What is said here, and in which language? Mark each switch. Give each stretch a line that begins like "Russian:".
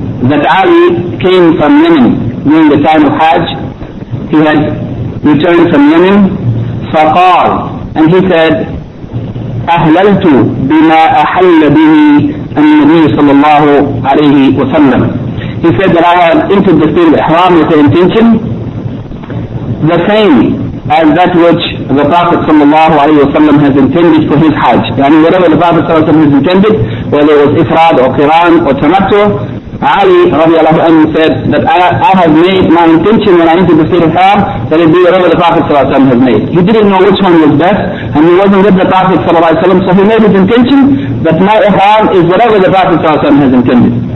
English: That Ali came from Yemen during the time of Hajj. He had returned from Yemen.
Arabic: فَقَال.
English: And he said,
Arabic: أَهْلَلْتُ بِمَا أَحَلَّ بِهِ النَّبِيُّ صَلَى اللَّهُ عَلَيْهِ وَسَلَّمْ.
English: He said that I have entered the state of Ihram with the intention the same as that which the Prophet sallallahu alayhi wa sallam has intended for his Hajj. I mean, whatever the Prophet sallallahu alayhi wa sallam has intended, whether it was Ifrad or Qiran or Tamattu, Ali radiallahu anhu said that I have made my intention when I entered the state of Ihram that it be whatever the Prophet sallallahu alayhi wa sallam has made. He didn't know which one was best, and he wasn't with the Prophet sallallahu alayhi wa sallam, so he made his intention that my Ihram is whatever the Prophet sallallahu alayhi wa sallam has intended.